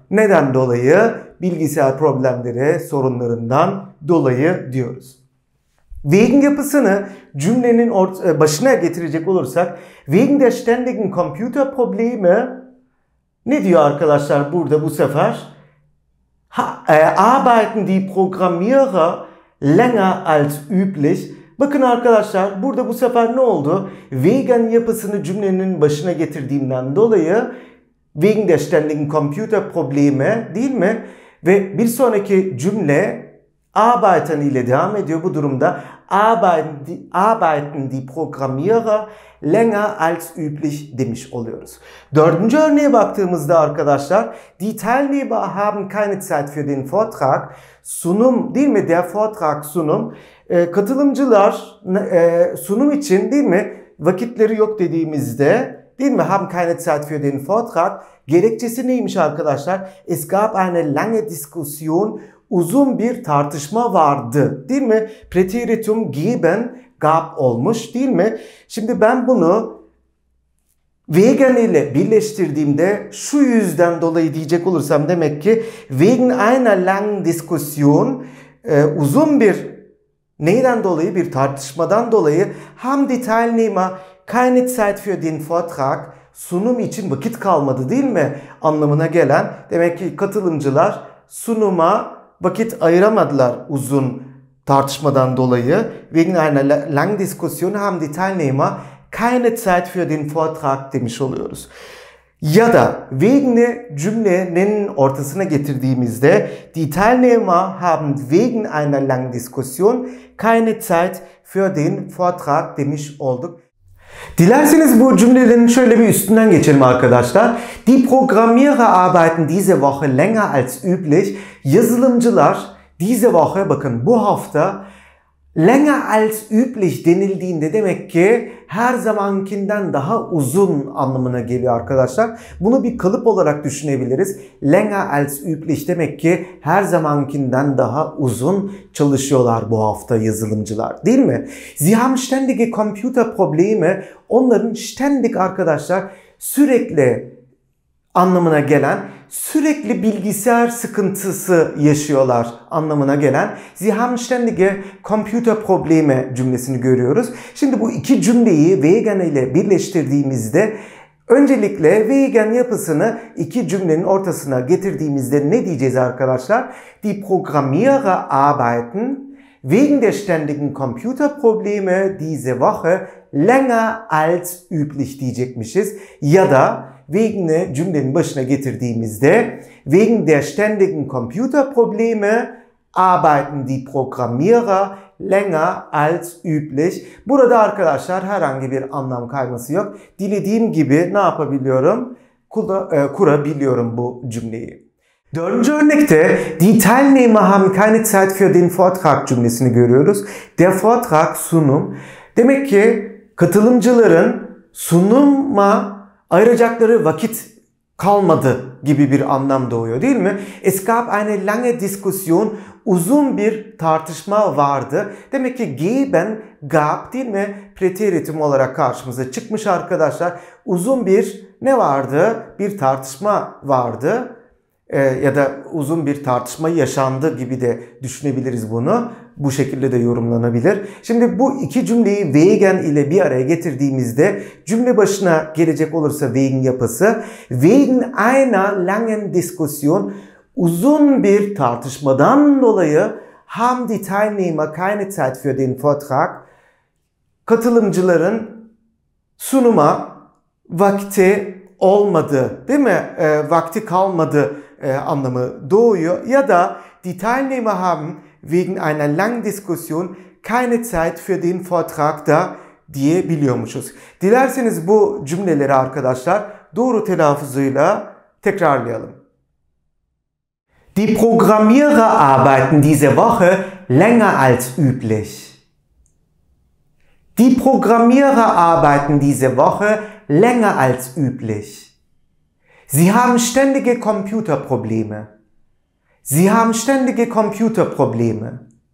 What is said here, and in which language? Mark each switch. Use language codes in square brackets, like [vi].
[tr] Neden dolayı? Bilgisayar problemleri, sorunlarından dolayı diyoruz. Wegen yapısını cümlenin başına getirecek olursak [de] wegen der ständigen Computerprobleme. [tr] Ne diyor arkadaşlar burada bu sefer? [de] Arbeiten die Programmierer länger als üblich. [tr] Bakın arkadaşlar burada bu sefer ne oldu? Wegen yapısını cümlenin başına getirdiğimden dolayı [de] wegen der ständigen Computerprobleme [tr] değil mi? Ve bir sonraki cümle arbeiten ile devam ediyor bu durumda. [de] Arbeiten die Programmierer länger als üblich [tr] demiş oluyoruz. Dördüncü örneğe baktığımızda arkadaşlar, [de] die Teilnehmer haben keine Zeit für den Vortrag. [tr] Sunum değil mi? Der Vortrag, sunum. Katılımcılar sunum için değil mi? Vakitleri yok dediğimizde değil mi? [de] Haben keine Zeit für den Vortrag. [tr] Gerekçesi neymiş arkadaşlar? [de] Es gab eine lange Diskussion. [tr] Uzun bir tartışma vardı değil mi? Präteritum geben gab olmuş değil mi? Şimdi ben bunu vegan ile birleştirdiğimde şu yüzden dolayı diyecek olursam demek ki [de] wegen einer langen Diskussion [tr] uzun bir neyden dolayı bir tartışmadan dolayı [de] ham die Teilnehmer keine Zeit für den Vortrag [tr] sunum için vakit kalmadı değil mi anlamına gelen demek ki katılımcılar sunuma vakit ayıramadılar uzun tartışmadan dolayı [de] wegen einer langen Diskussion ham die Teilnehmer keine Zeit für den Vortrag [tr] demiş oluyoruz. Ya da wegen'i cümlenin ortasına getirdiğimizde die Teilnehmer haben wegen einer langen Diskussion keine Zeit für den Vortrag demiş olduk. Dilerseniz bu cümlelerin şöyle bir üstünden geçelim arkadaşlar. [de] Die Programmierer arbeiten diese Woche länger als üblich. [tr] Yazılımcılar [de] diese Woche, [tr] bakın bu hafta [de] länger als üblich [tr] denildiğinde demek ki her zamankinden daha uzun anlamına geliyor arkadaşlar. Bunu bir kalıp olarak düşünebiliriz. [de] Länger als üblich [tr] demek ki her zamankinden daha uzun çalışıyorlar bu hafta yazılımcılar, değil mi? [de] Sie haben ständige Computerprobleme. [tr] Onların ständig arkadaşlar sürekli anlamına gelen, sürekli bilgisayar sıkıntısı yaşıyorlar anlamına gelen [de] Sie haben ständige Computerprobleme [tr] cümlesini görüyoruz. Şimdi bu iki cümleyi vegan ile birleştirdiğimizde öncelikle vegan yapısını iki cümlenin ortasına getirdiğimizde ne diyeceğiz arkadaşlar? [de] Die Programmierer arbeiten wegen der ständigen Computerprobleme diese Woche länger als üblich [tr] diyecekmişiz. Ya da wegen'i cümlenin başına getirdiğimizde [de] wegen der ständigen Computerprobleme arbeiten die Programmierer länger als üblich. [tr] Burada arkadaşlar herhangi bir anlam kayması yok. Dilediğim gibi ne yapabiliyorum? Kurabiliyorum bu cümleyi. Dördüncü örnekte [de] die Teilnehmer haben keine Zeit für den Vortrag [tr] cümlesini görüyoruz. [de] Der Vortrag, sunum. [tr] Demek ki katılımcıların sunuma ayıracakları vakit kalmadı gibi bir anlam doğuyor değil mi? [de] Es gab eine lange Diskussion, [tr] uzun bir tartışma vardı. Demek ki geben, gab değil mi? Preteritum olarak karşımıza çıkmış arkadaşlar. Uzun bir ne vardı? Bir tartışma vardı. Ya da uzun bir tartışma yaşandı gibi de düşünebiliriz bunu. Bu şekilde de yorumlanabilir. Şimdi bu iki cümleyi wegen ile bir araya getirdiğimizde cümle başına gelecek olursa wegen yapısı [de] wegen einer langen Diskussion, [tr] uzun bir tartışmadan dolayı [de] haben die Teilnehmer keine Zeit für den Vortrag, [tr] katılımcıların sunuma vakti olmadı değil mi? Vakti kalmadı anlamı doğuyor. [de] Ya da die Teilnehmer haben wegen einer langen Diskussion keine Zeit für den Vortrag [tr] da diyebiliyormuşuz. Dilerseniz bu cümleleri arkadaşlar doğru telaffuzuyla tekrarlayalım. [de] Die Programmierer arbeiten diese Woche länger als üblich. Die Programmierer arbeiten diese Woche länger als üblich. Sie haben ständige Computerprobleme. Sie haben ständige Computerprobleme.